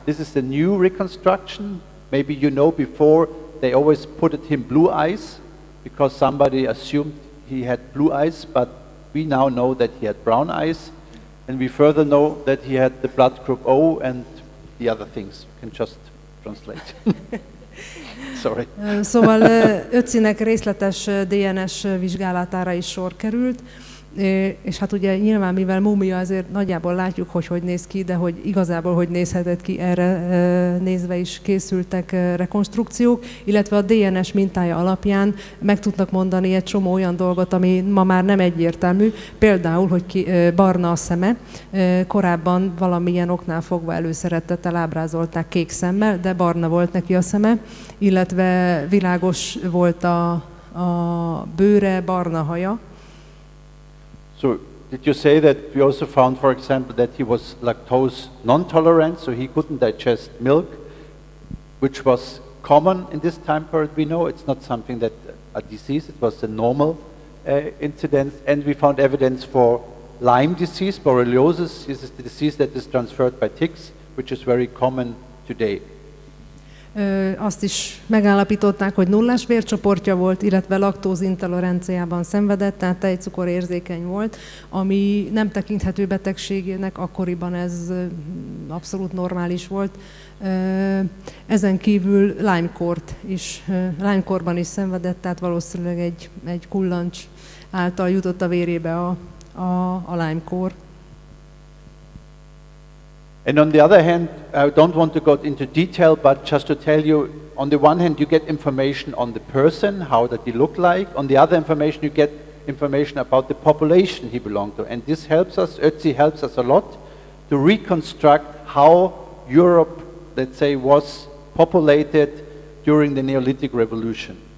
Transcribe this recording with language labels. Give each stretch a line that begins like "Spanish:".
English: This is the new reconstruction. Maybe you know before they always put him blue eyes because somebody assumed he had blue eyes, but we now know that he had brown eyes. And we further know that he had the blood group O and the other things. You can just translate. Sorry.
Hungarian: Szóval öcinek részletes DNS vizsgálatára is sor került, és hát ugye nyilván, mivel múmia, azért nagyjából látjuk, hogy néz ki, de hogy igazából hogy nézhetett ki, erre nézve is készültek rekonstrukciók, illetve a DNS mintája alapján meg tudnak mondani egy csomó olyan dolgot, ami ma már nem egyértelmű, például, hogy ki, barna a szeme, korábban valamilyen oknál fogva előszeretettel ábrázolták kék szemmel, de barna volt neki a szeme, illetve világos volt a bőre, barna haja.
English: So did you say that we also found, for example, that he was lactose non-tolerant, so he couldn't digest milk, which was common in this time period, we know. It's not something that a disease, it was a normal incidence. And we found evidence for Lyme disease, borreliosis. This is the disease that is transferred by ticks, which is very common today.
Hungarian: azt is megállapították, hogy nullás vércsoportja volt, illetve laktózintoleranciában szenvedett, tehát tejcukorérzékeny volt, ami nem tekinthető betegségnek, akkoriban ez abszolút normális volt. Ezen kívül Lyme-kort is, Lyme-korban is szenvedett, tehát valószínűleg egy kullancs által jutott a vérébe a Lyme-kor.
English: And on the other hand, I don't want to go into detail, but just to tell you, on the one hand, you get information on the person, how that he looked like. On the other information, you get information about the population he belonged to. And this helps us, Ötzi helps us a lot, to reconstruct how Europe, let's say, was populated during the Neolithic Revolution.